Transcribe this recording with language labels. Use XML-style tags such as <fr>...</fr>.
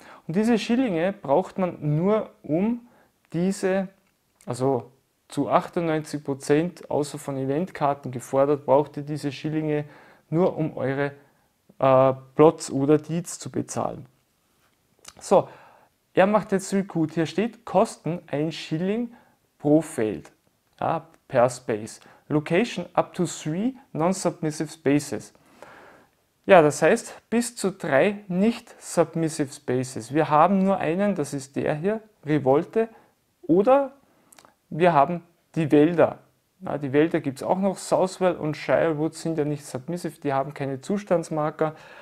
<de>Und diese Schillinge braucht man nur, um diese, also zu 98% außer von Eventkarten gefordert, braucht ihr diese Schillinge nur, um eure Plots oder Deeds zu bezahlen. So. Er macht jetzt Recruit. Hier steht Kosten 1 Schilling pro Feld, ja,</de> <en>per Space. Location up to 3 non-submissive spaces.</en> <de>Ja, das heißt bis zu 3 nicht-submissive spaces. Wir haben nur einen, das ist der hier, Revolte. Oder wir haben die Wälder. Ja, die Wälder gibt es auch noch. Southwell und Shirewood sind ja nicht submissive, die haben keine Zustandsmarker.</de>